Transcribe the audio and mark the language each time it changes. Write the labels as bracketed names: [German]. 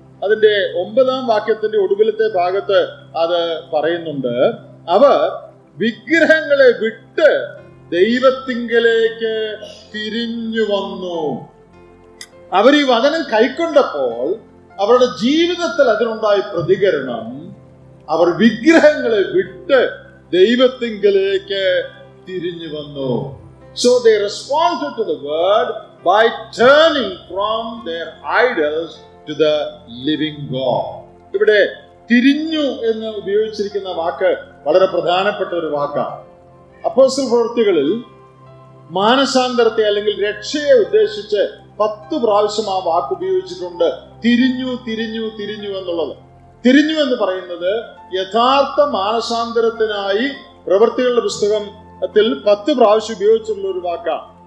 [Malayalam] അതിന്റെ 9 ഒടുവിലത്തെ ഭാഗത്ത് അത് പറയുന്നുണ്ട്, അവർ വിഗ്രഹങ്ങളെ വിട്ട് ദൈവത്തിങ്കലേക്ക് തിരിഞ്ഞു വന്നു. അവർ ഈ വചനം കൈക്കൊണ്ടപ്പോൾ അവരുടെ ജീവിതത്തിൽ അതിനുണ്ടായ പ്രതികരണം, അവർ വിഗ്രഹങ്ങളെ വിട്ട് ദൈവത്തിങ്കലേക്ക് തിരിഞ്ഞു വന്നു. [English] So they responded to the word by turning from their idols to the living God. [Malayalam] ഇവിടെ തിരിഞ്ഞു എന്ന് ഉപയോഗിച്ചിരിക്കുന്ന വാക്ക് വളരെ പ്രധാനപ്പെട്ട ഒരു വാക്കാണ്. അപ്പോസ്തല പ്രവൃത്തികളിൽ മാനസാന്തരത്തെ അല്ലെങ്കിൽ രക്ഷയെ ഉദ്ദേശിച്ച് 10 പ്രാവശ്യം ആ വാക്ക് ഉപയോഗിച്ചിട്ടുണ്ട്. തിരിഞ്ഞു തിരിഞ്ഞു തിരിഞ്ഞു എന്നുള്ളത്, തിരിഞ്ഞു എന്ന് പറയുന്നത് യഥാർത്ഥ മാനസാന്തരത്തിനായി പ്രവൃത്തികളുടെ പുസ്തകത്തിൽ 10 പ്രാവശ്യം ഉപയോഗിച്ചിട്ടുള്ള ഒരു വാക്കാണ്.